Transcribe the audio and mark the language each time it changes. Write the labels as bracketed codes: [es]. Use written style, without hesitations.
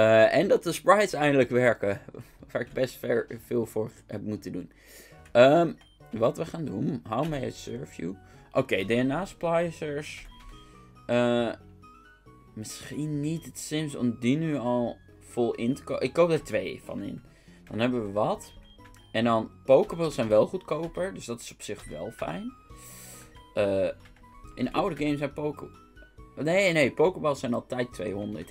[nl] en dat de sprites eindelijk werken. Waar ik best veel voor heb moeten doen. Wat we gaan doen. [en] How may I serve you? Oké, DNA splicers. [nl] Misschien niet het Sims om die nu al vol in te kopen. Ik koop er 2 van in. Dan hebben we wat. En dan, Pokéballs zijn wel goedkoper. Dus dat is op zich wel fijn. In oude games zijn Pokéballs zijn altijd 200.